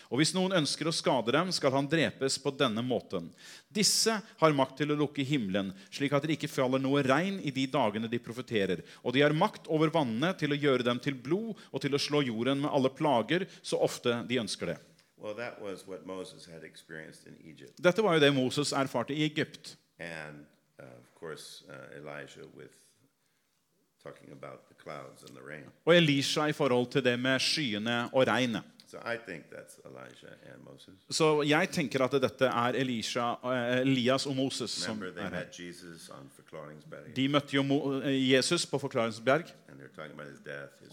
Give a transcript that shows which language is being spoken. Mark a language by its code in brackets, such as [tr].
[no] Og hvis noen ønsker å skade dem, skal han drepes på denne måten. Disse har makt til å lukke himlen, slik at det ikke faller noe regn I de dagene de profeterer. Og de har makt over vannene til å gjøre dem til blod og til å slå jorden med alle plager så ofte de ønsker det. [en] Well, that was what Moses had experienced in Egypt. [no] Dette var jo det Moses erfarte I Egypt. [en] And of course, Elijah with talking about the clouds and the rain. [no] Og Elisha I forhold til det med skyene og regnet. [en] So I think that's Elijah and Moses. [no] Så jeg tenker at dette Elisha, Elias og Moses som. [en] Remember they met Jesus on Forklaringsberg. [no] De møtte jo Jesus på Forklaringsberg. [en] And they're talking about his death, his.